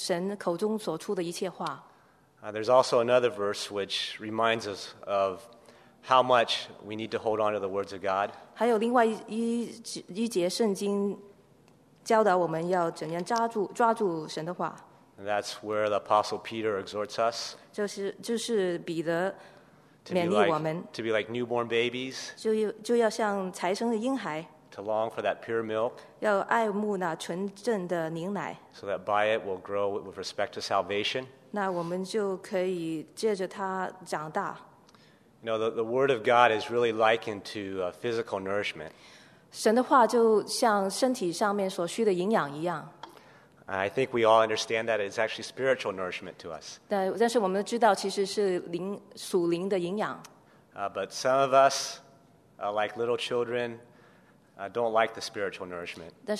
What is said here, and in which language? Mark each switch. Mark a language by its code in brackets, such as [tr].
[zh] 乃是靠从神口中所出的一切话。 [en] There's also another verse which reminds us of how much we need to hold on to the words of God. [zh] 还有另外一节圣经。教导我们要怎样抓住神的话。 [en] That's where the Apostle Peter exhorts us. [zh] 就是彼得勉励我们。 [en] To be like newborn babies. [zh] 就要像才生的婴孩。 [en] To long for that pure milk. [zh] 要爱慕那纯正的牛奶。 [en] So that by it we'll grow with respect to salvation. [zh] 那我们就可以借着它长大。 [en] You know, the Word of God is really likened to physical nourishment. [zh] 神的话就像身体上面所需的营养一样。 [en] I think we all understand that it's actually spiritual nourishment to us. [zh] 但是我们知道其实是属灵的营养。 [en] But some of us, like little children, don't like the spiritual nourishment.